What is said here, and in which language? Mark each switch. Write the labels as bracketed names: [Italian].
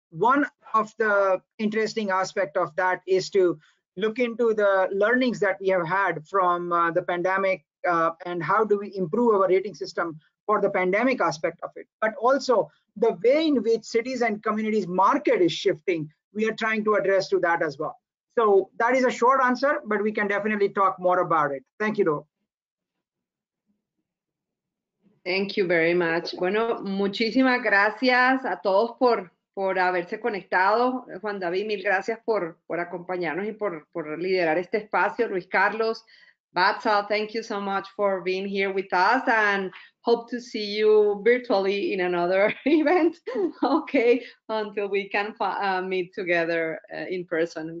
[English] One of the interesting aspect of that is to look into the learnings that we have had from the pandemic and how do we improve our rating system for the pandemic aspect of it. But also the way in which cities and communities market is shifting, we are trying to address to that as well. So that is a short answer, but we can definitely talk more about it. Thank you, though. Thank you very much. [Spanish] Bueno, muchísimas gracias a todos por haberse conectado. Juan David, mil gracias por acompañarnos y por liderar este espacio. Luis Carlos, [English] Batsa, thank you so much for being here with us and hope to see you virtually in another event, okay, until we can meet together in person.